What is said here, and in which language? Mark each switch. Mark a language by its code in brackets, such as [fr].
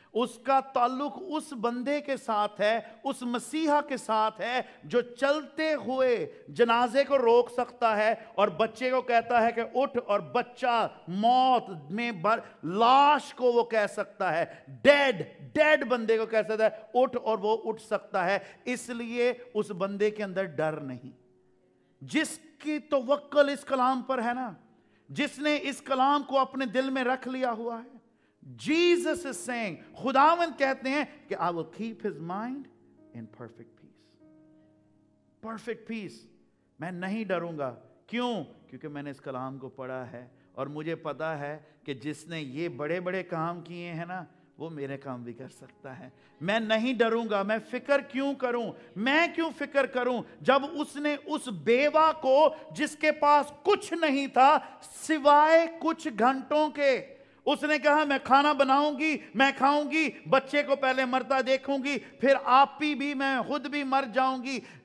[hi] उसका ताल्लुक उस बंदे के साथ है, उस मसीहा के साथ है जो चलते हुए जनाजे को रोक सकता है और बच्चे को कहता है कि उठ, और बच्चा मौत में भर लाश को वो कह सकता है, डेड डेड बंदे को कह सकता है उठ, और वो उठ सकता है। इसलिए उस बंदे के अंदर डर नहीं, जिसकी तवक्कल इस कलाम पर है ना, जिसने इस कलाम को अपने दिल में रख लिया हुआ है। [en] Jesus is saying, [hi] खुदावंद कहते हैं कि [en] I will keep his mind in perfect peace. Perfect peace. [hi] मैं नहीं डरूंगा। क्यों? क्योंकि मैंने इस कलाम को पढ़ा है और मुझे पता है कि जिसने ये बड़े बड़े काम किए हैं ना, वो मेरे काम भी कर सकता है। मैं नहीं डरूंगा। मैं फिक्र क्यों करूं? मैं क्यों फिक्र करूं जब उसने उस बेवा को जिसके पास कुछ नहीं था सिवाय कुछ घंटों के, उसने कहा मैं खाना बनाऊंगी, मैं खाऊंगी, बच्चे को पहले मरता देखूंगी, फिर आप ही भी मैं खुद भी मर जाऊंगी।